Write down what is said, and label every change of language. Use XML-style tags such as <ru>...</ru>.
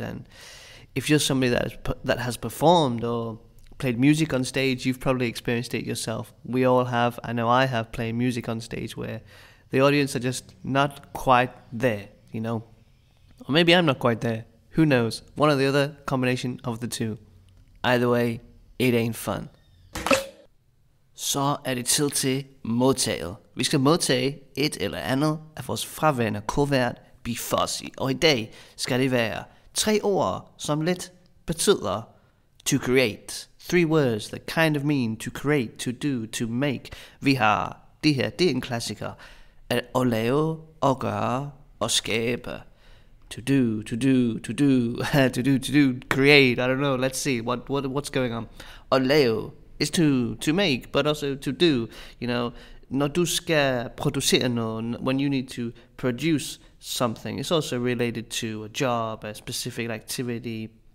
<en>And if you're somebody that has performed or played music on stage, you've probably experienced it yourself. We all have. I know I have, played music on stage where the audience are just not quite there, you know. Or maybe I'm not quite there. Who knows? One or the other, combination of the two. Either way, it ain't fun.</en> <da>Så er det tid til modtaget. Vi skal modtage et eller andet af vores fraværende kuvert, be fussy. Og i dag skal det være tre ord, som lidt betyder</da> <en>to create. Three words that kind of mean to create, to do, to make.</en> <da>Vi har det her, det er en klassiker. At lave, at gøre, at skabe.</da> <en>To do, create, I don't know, let's see, what's going on. At lave is to make, but also to do, you know.</en> <da>Når du skal producere noget,</da> <en>when you need to produce something, it's also related to a job, a specific activity.</en>